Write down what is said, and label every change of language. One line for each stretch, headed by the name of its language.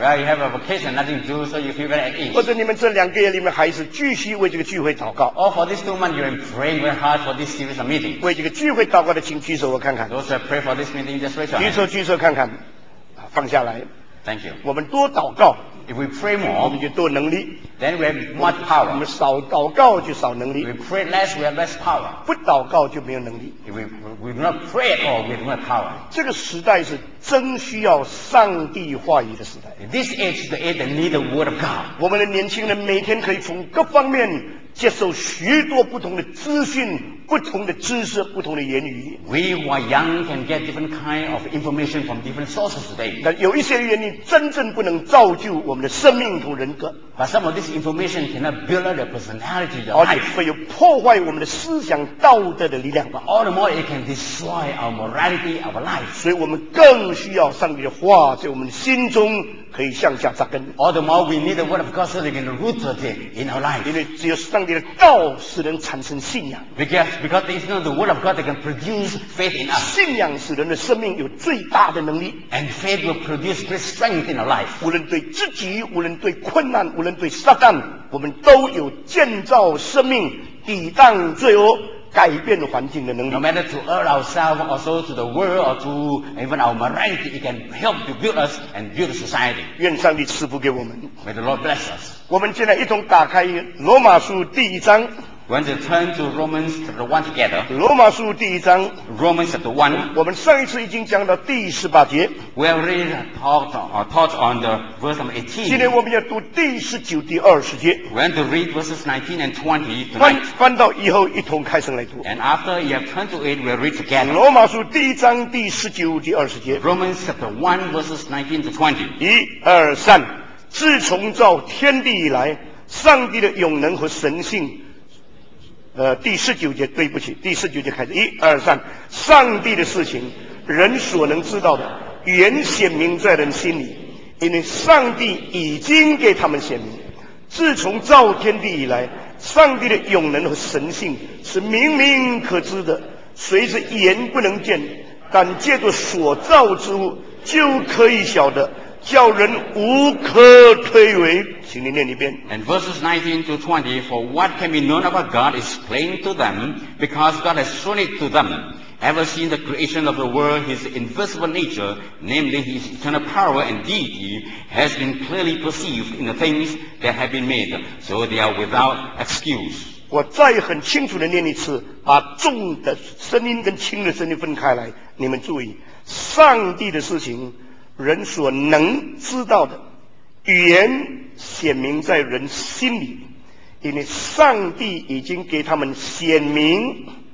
English: Well, you have a vacation, nothing to do, so you feel very at ease.
Chinese: 或者你们这两个月里面还是继续为这个聚会祷告。
English: Or for these 2 months, you are praying very hard for this evening's meeting.
Chinese: 为这个聚会祷告的，请举手我看看。
English: Those that pray for this meeting, just raise your hand.
Chinese: 举手看看，放下来。
English: Thank you.
Chinese: 我们多祷告
English: ，If we pray more，
Chinese: 我们就多能力
English: ；Then we have much power.
Chinese: 我们少祷告就少能力
English: ；We pray less, we have less power.
Chinese: 不祷告就没有能力
English: ；If we do not pray at all, we have no power.
Chinese: 这个时代是真需要上帝话语的时代
English: ；This age is the age that need the word of God.
Chinese: 我们的年轻人每天可以从各方面接受许多不同的资讯、不同的知识、不同的言语。
English: We who are young can get different kind of information from different sources today.
Chinese: 但有一些原因真正不能造就我们的生命和人格。
English: But some of this information cannot build up the personality, the life.
Chinese: 而且破坏我们的思想道德的力量。
English: But all the more it can destroy our morality, our life.
Chinese: 所以我们更需要上帝的话在我们的心中可以向下扎根。
English: All the more we need the word of God so they can root it in our life.
Chinese: 因为只有上帝的道使人产生信仰。
English: Because there is not the word of God that can produce faith in us.
Chinese: 信仰使人的生命有最大的能力。
English: And faith will produce great strength in our life.
Chinese: 无论对自己，无论对困难，无论对撒旦，我们都有建造生命、抵挡罪恶、改变环境的能力。
English: No matter to earn ourselves, also to the world, or to even our morality, it can help to build us and build society.
Chinese: 愿上帝赐福给我们。
English: May the Lord bless us.
Chinese: 我们现在一同打开罗马书第一章。
English: We want to turn to Romans chapter 1 together.
Chinese: 罗马书第一章。
English: Romans chapter 1.
Chinese: 我们上一次已经讲到第十八节。
English: We already taught on the verse number 18.
Chinese: 今天我们要读第十九、第二十节。
English: We want to read verses 19 and 20 tonight.
Chinese: 翻到以后一同开声来读。
English: And after you have turned to it, we'll read together.
Chinese: 罗马书第一章第十九、第二十节。
English: Romans chapter 1 verses 19 to 20.
Chinese: 一、二、三。自从造天地以来，上帝的永能和神性。第十九节，对不起，第十九节开始，一二三，上帝的事情，人所能知道的，原显明在人心里，因为上帝已经给他们显明。自从造天地以来，上帝的永能和神性是明明可知的，虽是眼不能见，但借着所造之物就可以晓得。叫人无可推诿，请你念一遍。
English: And verses 19 to 20, for what can be known about God is plain to them, because God has shown it to them. Ever since the creation of the world, His invisible nature, namely His eternal power and deity, has been clearly perceived in the things that have been made, so they are without excuse.
Chinese: 我再很清楚地念一次，把重的声音跟轻的声音分开来，你们注意，上帝的事情人所能知道的，原显明在人心里，因为上帝已经给他们显明。